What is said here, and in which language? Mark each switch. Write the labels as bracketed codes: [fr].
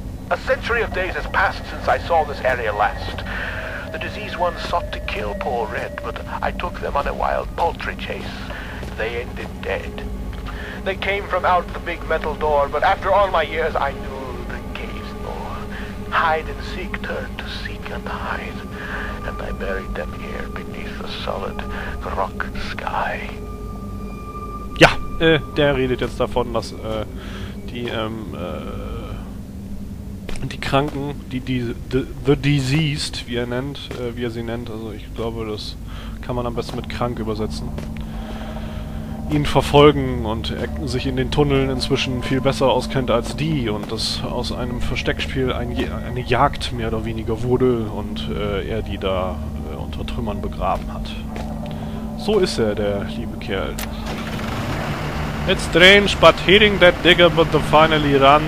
[en] A century of days has passed since I saw this area last. The diseased ones sought to kill poor Red, but I took them on a wild poultry chase. They ended dead. They came from out the big metal door, but after all my years, I knew the cave's lore. Hide and seek turned to seek and hide, and I buried them here beneath. beneath the solid rock sky. [de] Ja, der redet jetzt davon, dass die Kranken, [en] the diseased, [de] wie er sie nennt, also ich glaube, das kann man am besten mit krank übersetzen, ihn verfolgen und er sich in den Tunneln inzwischen viel besser auskennt als die und das aus einem Versteckspiel eine Jagd mehr oder weniger wurde und er die da unter Trümmern begraben hat. So ist er, der liebe Kerl. [en] It's strange, but hitting that digger but the finally run.